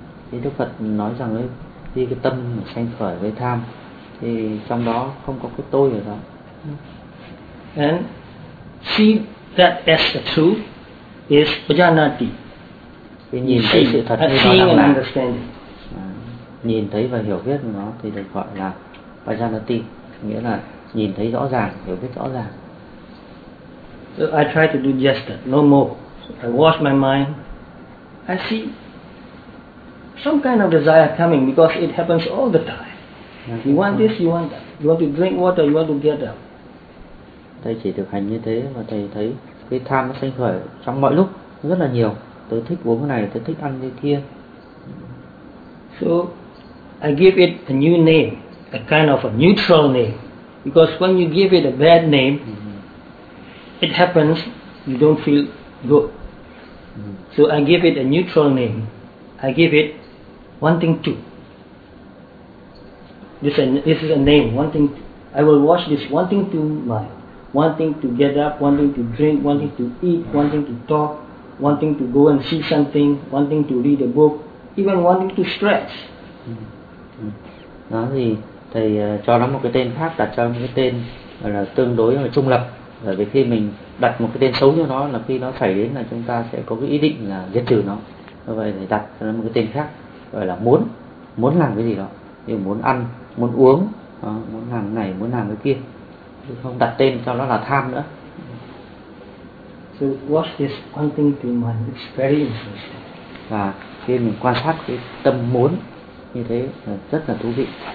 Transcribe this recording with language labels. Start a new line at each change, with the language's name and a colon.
Vietnamese: Thì Đức Phật nói rằng ấy, khi cái tâm sanh khởi với tham, thì trong đó không có cái tôi ở đó.
English: And see that as the truth is bhajanati.
Vietnamese: Nhìn thấy sự thật như nó
English: là understanding.
Vietnamese: Nhìn thấy và hiểu biết nó thì được gọi là bhajanati, nghĩa là nhìn thấy rõ ràng, hiểu biết rõ ràng.
English: So I try to do just that, no more. So I wash my mind. I see some kind of desire coming because it happens all the time. You want this, you want that. You want to drink water, you want to get up.
Vietnamese: Thầy chỉ thực hành như thế mà thầy thấy cái tham nó sanh khởi trong mọi lúc rất là nhiều. Tôi thích uống cái này, tôi thích ăn cái kia.
English: So I give it a new name, a kind of a neutral name, because when you give it a bad name, it happens you don't feel good. So I give it a neutral name. I give it wanting to. This is a name, wanting to. I will wash this wanting to mind. Wanting to get up, wanting to drink, wanting to eat, wanting to talk, wanting to go and see something, wanting to read a book, even wanting to stretch.
Vietnamese: Đó thì thầy cho nó một cái tên khác, đặt cho nó một cái tên là tương đối và trung lập. Bởi vì khi mình đặt một cái tên xấu cho nó là khi nó xảy đến là chúng ta sẽ có cái ý định là diệt trừ nó. Vì vậy thì đặt cho nó một cái tên khác gọi là muốn, muốn làm cái gì đó. Như muốn ăn, muốn uống, đó, muốn làm cái này, muốn làm cái kia. Không đặt tên cho nó là tham nữa.
English: So watch this wanting to mind, it's very interesting.
Vietnamese: Và khi mình quan sát cái tâm muốn như thế là rất là thú vị.